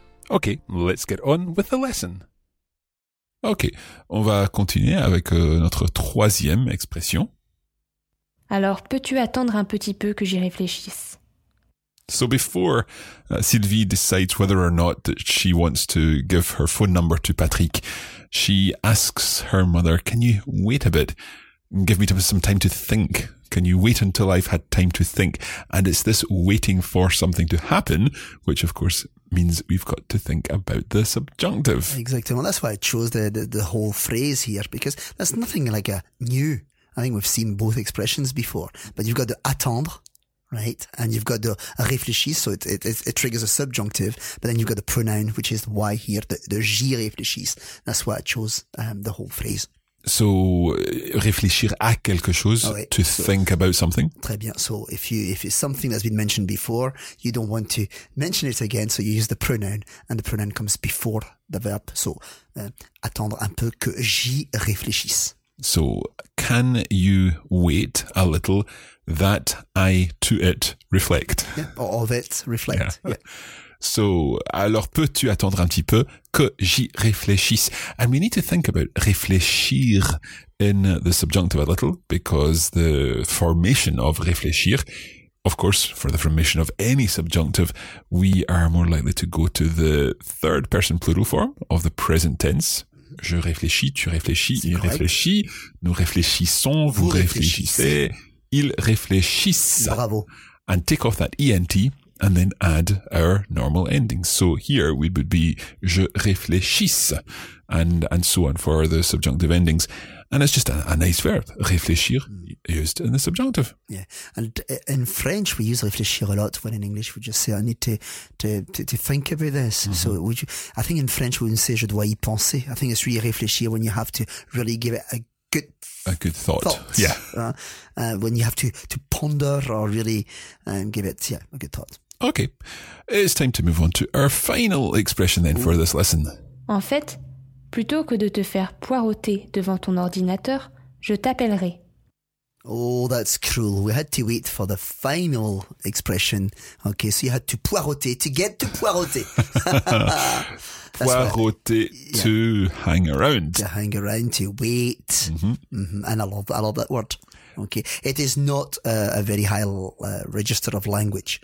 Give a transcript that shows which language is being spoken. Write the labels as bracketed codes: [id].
[en] Okay, let's get on with the lesson. [fr] Okay, on va continuer avec notre troisième expression. Alors, peux-tu attendre un petit peu que j'y réfléchisse? [en] So before Sylvie decides whether or not that she wants to give her phone number to Patrick, she asks her mother, can you wait a bit? Give me some time to think. Can you wait until I've had time to think? And it's this waiting for something to happen, which of course means we've got to think about the subjunctive. Exactly. Well, that's why I chose the whole phrase here, because that's nothing like a new. I think we've seen both expressions before, but you've got the attendre, right? And you've got the réfléchir, so it triggers a subjunctive, but then you've got the pronoun, which is why here, the j'y réfléchis. That's why I chose the whole phrase. So, [fr] réfléchir à quelque chose, [en] oh, right. Think about something. [fr] Très bien. [en] So, if it's something that's been mentioned before, you don't want to mention it again, so you use the pronoun, and the pronoun comes before the verb. [fr] So, attendre un peu que j'y réfléchisse. [en] So, can you wait a little that I to it reflect? Yeah, or of it reflect, yeah. [fr] So, alors peux-tu attendre un petit peu que j'y réfléchisse? [en] And we need to think about réfléchir in the subjunctive a little, because the formation of réfléchir, of course, for the formation of any subjunctive, we are more likely to go to the third person plural form of the present tense. [fr] Je réfléchis, tu réfléchis, c'est il correct. Réfléchit, nous réfléchissons, vous réfléchissez, ils réfléchissent. Bravo. [en] And take off that ENT. and then add our normal ending. So here we would be je réfléchisse, and so on for the subjunctive endings. And it's just a nice verb, réfléchir, used in the subjunctive. Yeah, and in French we use réfléchir a lot, when in English we just say I need to think about this. Mm-hmm. So would you, I think in French we wouldn't say [fr] je dois y penser. [en] I think it's really réfléchir when you have to really give it a good thought. Yeah, when you have to ponder or really give it a good thought. Okay, it's time to move on to our final expression then for this lesson. [fr] En fait, plutôt que de te faire poireauter devant ton ordinateur, je t'appellerai. [en] Oh, that's cruel. We had to wait for the final expression. Okay, so you had to poireauter, to get to poireauter. Poireauter, to hang around. To hang around, to wait. Mm-hmm. Mm-hmm. And I love that word. Okay, it is not a very high register of language.